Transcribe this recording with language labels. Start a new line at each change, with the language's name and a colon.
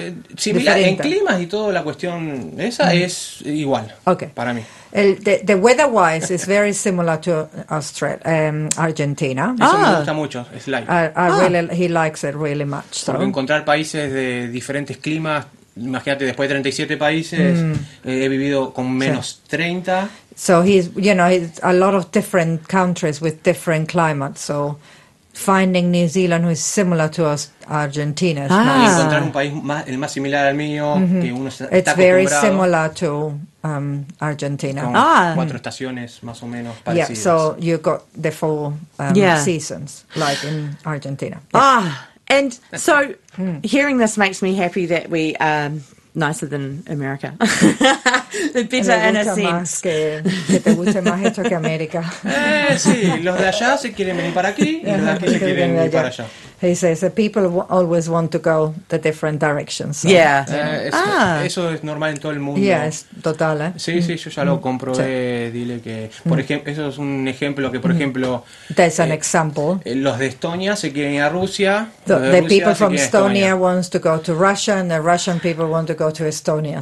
Spanish: No, similar en climas y todo, la cuestión esa es igual.
English: Okay.
Spanish: Para mí.
English: The weather-wise is very similar to Australia, Argentina.
Spanish: Eso me gusta mucho, es light.
English: He likes it really much. So.
Spanish: Porque encontrar países de diferentes climas, imagínate, después de 37 países, he vivido con menos 30.
English: So he's, you know, he's a lot of different countries with different climates, so finding New Zealand who is similar to us, Argentina. Ah.
Spanish: Y encontrar un país el más similar al mío, que uno está acostumbrado.
English: It's very similar to Argentina.
Spanish: Cuatro estaciones más o menos parecidas.
English: Yeah, so you got the four seasons, like in Argentina. Ah, and so hearing this makes me happy that we nicer than America. Better in a sense.
Spanish: Que te guste más esto que América. Sí, los de allá se quieren venir para aquí y los de aquí se quieren ir para allá.
English: He says that people always want to go the different directions. So, yeah.
Spanish: Eso es normal en todo el mundo.
English: Yes, total.
Spanish: Sí, sí, yo ya lo comprobé. Dile que, por ejemplo, eso es un ejemplo que, por ejemplo,
English: that's an example.
Spanish: Los de Estonia se quieren ir a Rusia.
English: The people from Estonia wants to go to Russia, and the Russian people want to go to Estonia.